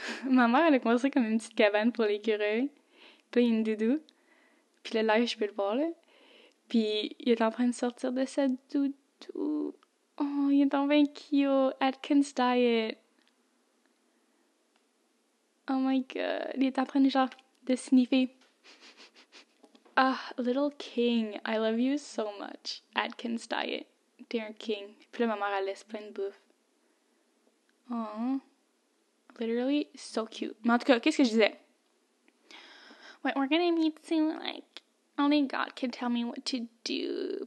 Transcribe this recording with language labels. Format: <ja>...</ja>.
<fr>ma mère, elle a construit comme une petite cabane pour l'écureuil. Puis il y a une doudou. Puis là, live, je peux le voir, là. Puis il est en train de sortir de sa doudou. Oh, il est en train de cute. Atkins diet.</fr> <en>Oh my god.</en> <fr>Il est en train de, genre, de sniffer.</fr> <en>Ah, little king, I love you so much. Atkins diet, dear king.</en> <fr>Puis là, ma mère, elle laisse plein de bouffe. Aww.</fr> <en>Literally so cute.</en> <fr>Mais en tout cas, qu'est-ce que je disais?</fr> <en>Wait, we're gonna meet soon, like, only God can tell me what to do.</en>